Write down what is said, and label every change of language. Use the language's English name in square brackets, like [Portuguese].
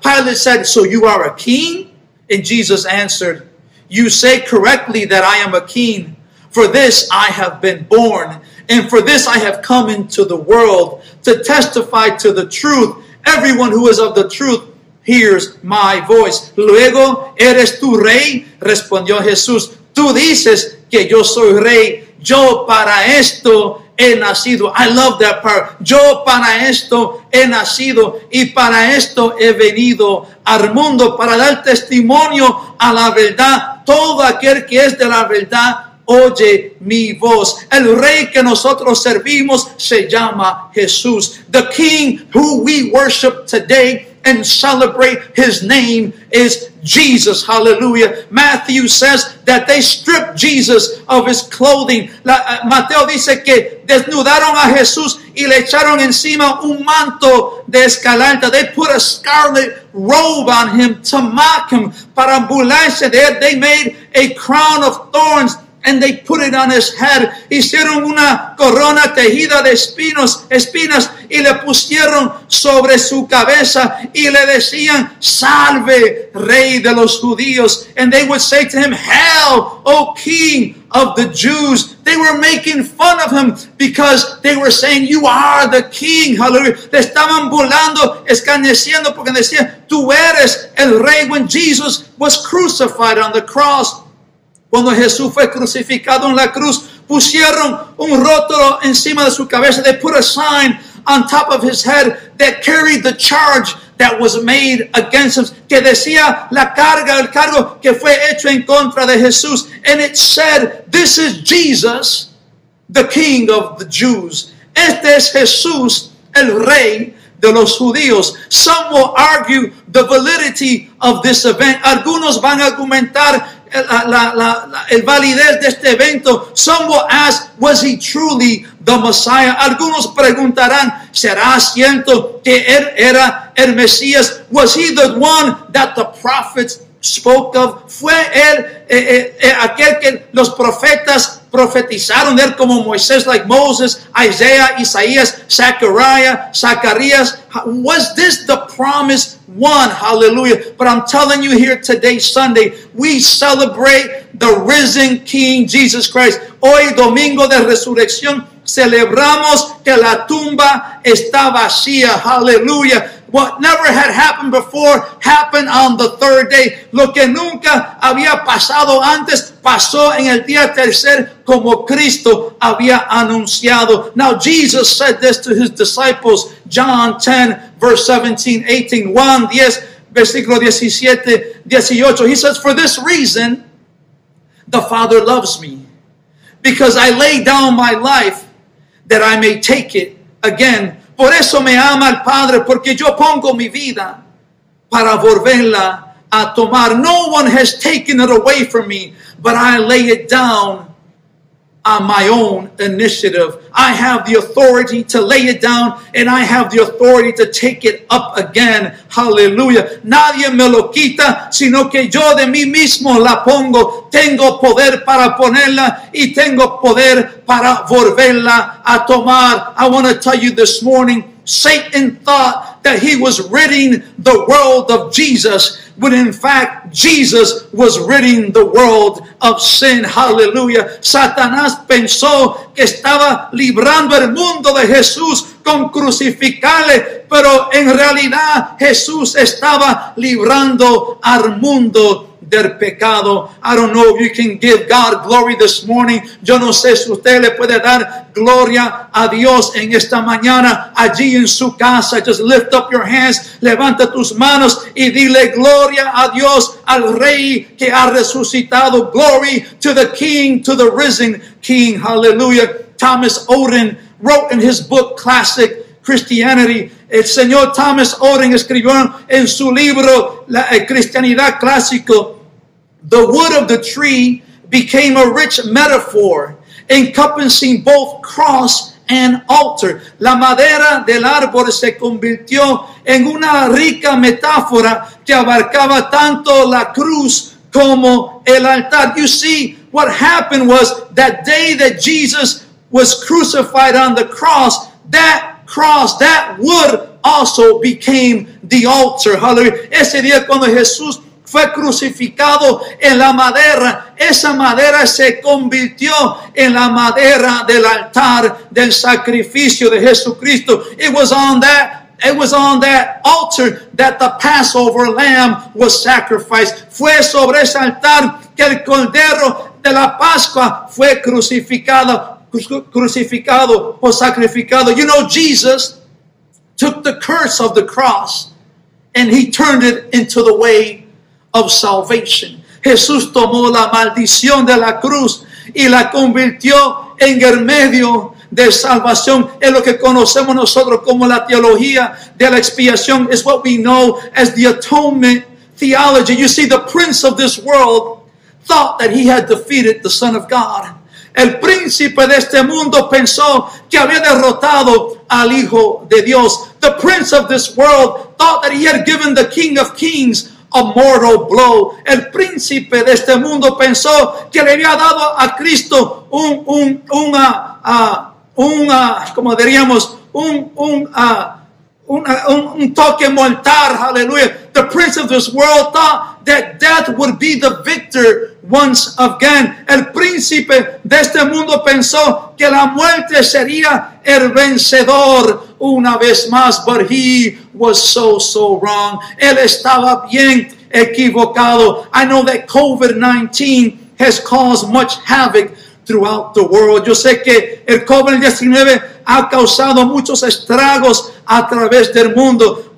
[English] Pilate said, "So you are a king?" And Jesus answered, "You say correctly that I am a king. For this I have been born, and for this I have come into the world, to testify to the truth. Everyone who is of the truth hears my voice." [Spanish] Luego, ¿eres tú rey? Respondió Jesús. Tú dices que yo soy rey. Yo para esto he nacido. [English] I love that part. [Spanish] Yo para esto he nacido y para esto he venido al mundo, para dar testimonio a la verdad. Todo aquel que es de la verdad oye mi voz. El rey que nosotros servimos se llama Jesús. [English] The king who we worship today and celebrate, his name is Jesus. Hallelujah. Matthew says that they stripped Jesus of his clothing. [Spanish] Mateo dice que desnudaron a Jesús y le echaron encima un manto de escarlata. [English] They put a scarlet robe on him to mock him. [Spanish] Para burlarse de él, [English] they made a crown of thorns And they put it on his head. [Spanish] Hicieron una corona tejida de espinas y le pusieron sobre su cabeza y le decían, Salve, Rey de los Judíos. [English] And they would say to him, Hail, O King of the Jews. They were making fun of him because they were saying, You are the King. Hallelujah. [Spanish] Le estaban burlando, escarneciendo porque decían, Tú eres el Rey. [English] When Jesus was crucified on the cross, [Spanish] cuando Jesús fue crucificado en la cruz, pusieron un rótulo encima de su cabeza. [English] They put a sign on top of his head that carried the charge that was made against him. [Spanish] Que decía la carga, el cargo que fue hecho en contra de Jesús. [English] And it said, this is Jesus, the King of the Jews. [Spanish] Este es Jesús, el Rey de los Judíos. [English] Some will argue the validity of this event. [Spanish] Algunos van a argumentar el validez de este evento. [English] Some will ask, was he truly the Messiah? [Spanish] Algunos preguntarán, ¿será cierto que él era el Mesías? [English] Was he the one that the prophets spoke of? [Spanish] ¿Fue él aquel que los profetas profetizaron de él como Moisés, [English] like Moses, [Spanish] Isaiah, Isaías, Zacarías? [English] Was this the promised one? Hallelujah. But I'm telling you here today, Sunday, we celebrate the risen King Jesus Christ. [Spanish] Hoy, Domingo de Resurrección, celebramos que la tumba está vacía. [English] Hallelujah. What never had happened before happened on the third day. [Spanish] Lo que nunca había pasado antes pasó en el día tercer como Cristo había anunciado. [English] Now Jesus said this to his disciples, John 10, verse 17, 18, [Spanish] Juan 10, versículo 17, 18. [English] He says, for this reason, the Father loves me, because I lay down my life that I may take it again. [Spanish] Por eso me ama el Padre, porque yo pongo mi vida para volverla a tomar. [English] No one has taken it away from me, but I lay it down on my own initiative. I have the authority to lay it down, and I have the authority to take it up again. Hallelujah. [Spanish] Nadie me lo quita, sino que yo de mí mismo la pongo. Tengo poder para ponerla, y tengo poder para volverla a tomar. [English] I want to tell you this morning, Satan thought that he was ridding the world of Jesus, when in fact, Jesus was ridding the world of sin. Hallelujah. [Spanish] Satanás pensó que estaba librando el mundo de Jesús con crucificarle, pero en realidad, Jesús estaba librando al mundo del pecado. [English] I don't know if you can give God glory this morning. [Spanish] Yo no sé si usted le puede dar gloria a Dios en esta mañana allí en su casa. [English] Just lift up your hands, [Spanish] levanta tus manos y dile gloria a Dios, al Rey que ha resucitado. [English] Glory to the King, to the risen King. Hallelujah. Thomas Oden wrote in his book Classic Christianity. [Spanish] El señor Thomas Oden escribió en su libro La Cristianidad Clásico, [English] The wood of the tree became a rich metaphor encompassing both cross and altar. [Spanish] La madera del árbol se convirtió en una rica metáfora que abarcaba tanto la cruz como el altar. [English] You see, what happened was that day that Jesus was crucified on the cross, that cross, that wood also became the altar. Hallelujah. [Spanish] Ese día cuando Jesús fue crucificado en la madera, esa madera se convirtió en la madera del altar del sacrificio de Jesucristo. [English] It was on that altar that the Passover lamb was sacrificed. [Spanish] Fue sobre ese altar que el cordero de la Pascua fue crucificado o sacrificado. [English] You know, Jesus took the curse of the cross and he turned it into the way of salvation. [Spanish] Jesús tomó la maldición de la cruz y la convirtió en el medio de salvación. Es lo que conocemos nosotros como la teología de la expiación. [English] Is what we know as the atonement theology. You see, the prince of this world thought that he had defeated the Son of God. [Spanish] El príncipe de este mundo pensó que había derrotado al Hijo de Dios. [English] The prince of this world thought that he had given the King of Kings a mortal blow. [Spanish] El príncipe de este mundo pensó que le había dado a Cristo un toque mortal. [English] Hallelujah. The prince of this world thought that death would be the victor once again. [Spanish] El príncipe de este mundo pensó que la muerte sería el vencedor una vez más. [English] But he was so wrong. [Spanish] Él estaba bien equivocado. [English] I know that COVID-19 has caused much havoc throughout the world. [Spanish] Yo sé que el COVID-19 ha causado muchos estragos a través del mundo.